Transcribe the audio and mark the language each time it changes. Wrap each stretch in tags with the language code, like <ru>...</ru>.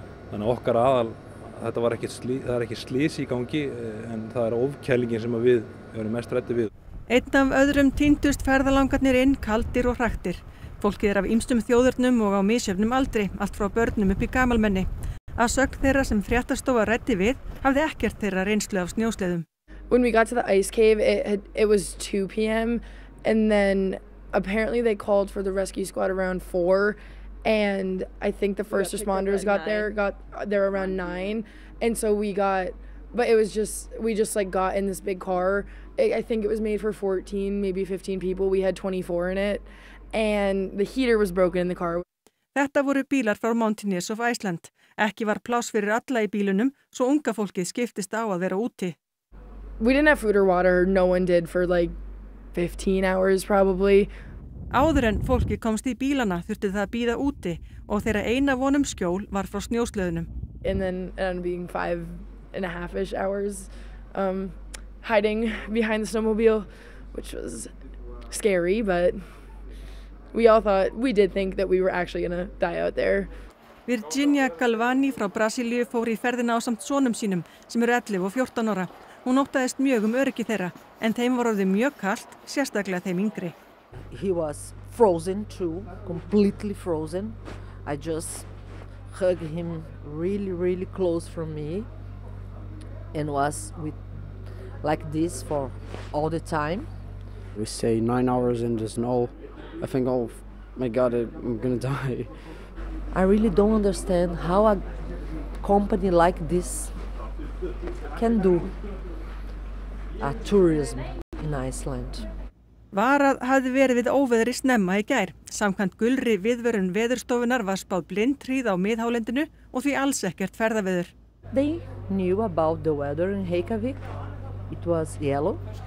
<is>Þannig að okkar aðal, það er ekki slys í gangi, en það er ofkælingin sem við erum mest hræddir við. Einn af öðrum týndust ferðalangarnir inn, kaldir og hraktir. Fólkið er af ýmsum þjóðurnum og á misjöfnum aldri, allt frá börnum upp í gamalmenni. Að sögn þeirra sem fréttastofa ræddi við, hafði ekkert þeirra reynslu af snjósleðum.</is> <en>When we got to the ice cave, it was 2 p.m. And then apparently they called for the rescue squad around 4 and I think the first responders got there around 9 and so we just got in this big car. I think it was made for 14 maybe 15 people. We had 24 in it and the heater was broken in the car.</en> <is>Þetta voru bílar frá Mountaineers of Iceland. Ekki var pláss fyrir alla í bílunum svo unga fólkið skiptist á að vera úti.</is> <en>We didn't have food or water. No one did for like 15 hours probably.</en> <is>Áður en fólki komst í bílana þurfti það að bíða úti og þeirra eina vonum skjól var frá snjósleðunum.</is> <en>And then it ended up being 5.5-ish hours hiding behind the snowmobile, which was scary, but we did think that we were actually gonna die out there.</en> <is>Virginia Galvani frá Brasilíu fór í ferðina ásamt sonum sínum sem eru 11 og 14 ára. Hún óttaðist mjög öryggi þeirra, en þeim var orðið mjög kalt, sérstaklega þeim yngri.</is> <en>He was frozen too, completely frozen. I just hugged him really, really close from me and was with like this for all the time. We stay 9 hours in the snow. I think, oh my God, I'm gonna die. I really don't understand how a company like this can do. A tourism in Iceland.</en> <is>Varað hafði verið við óveðri snemma í gær. Samkvæmt gulri viðvörun veðurstofunar var spáð blindhríð á miðhálendinu og því alls ekkert ferðaveður.</is> <en>They knew about the weather in Reykjavík. It was yellow.</en>